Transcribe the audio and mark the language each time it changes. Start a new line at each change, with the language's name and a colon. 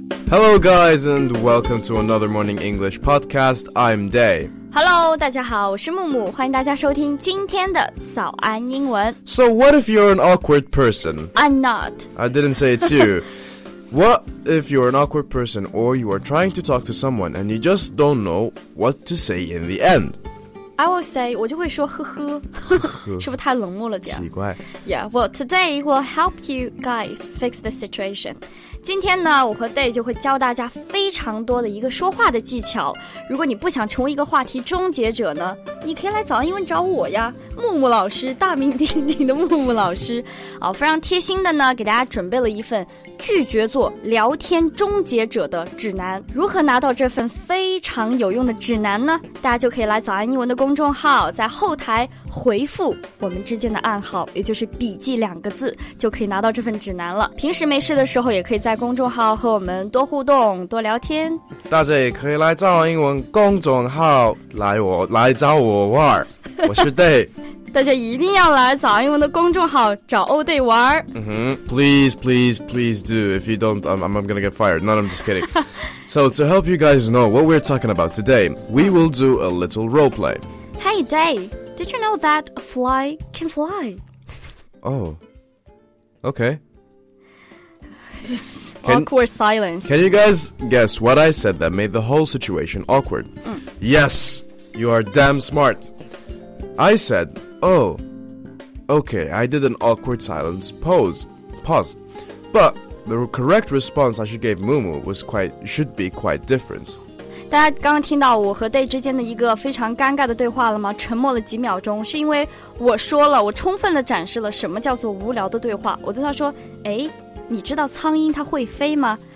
English: Hello, guys, and welcome to another Morning English podcast. I'm Day.
Chinese: Hello, 大家好，我是木木，欢迎大家收听今天的早安英文。
English: So, what if you're an awkward person? I'm not. I didn't say it's you. What if you're an awkward person or you are trying to talk to someone and you just don't know what to say in the end? I will say,
Chinese: 我就会说呵呵，是不是太冷漠了点？奇怪。
English: Yeah, well, today we'll help you guys fix the situation.
Chinese: 今天呢，我和 Day 就会教大家非常多的一个说话的技巧。如果你不想成为一个话题终结者呢，你可以来早安英文找我呀，木木老师，大名鼎鼎的木木老师。好，非常贴心的呢，给大家准备了一份拒绝做聊天终结者的指南。如何拿到这份非常有用的指南呢？大家就可以来早安英文的公众号，在后台回复我们之间的暗号，也就是笔记两个字，就可以拿到这份指南了。平时没事的时候，也可以在公众号和我们多互动、多聊天。大家也可以来早安英文公众号来找我玩。我是 Day。大家一定要来早安英文的公众号找欧 Day 玩。
English: 嗯哼、please, please, please do. If you don't, I'm gonna get fired. No, I'm just kidding. So to help you guys know what we're talking about today, we will do a little role play. Hey, Day. Did you know that a fly can fly? Oh, okay. Awkward silence. Can you guys guess what I said that made the whole situation awkward? Yes, you are damn smart. I said, oh, okay, I did an awkward silence pause. But the correct response I should give Mumu should be quite different.
Chinese: 大家刚刚听到我和 Day 之间的一个非常尴尬的对话了吗？沉默了几秒钟，是因为我说了，我充分的展示了什么叫做无聊的对话。我对他说，哎，你知道苍蝇它会飞吗？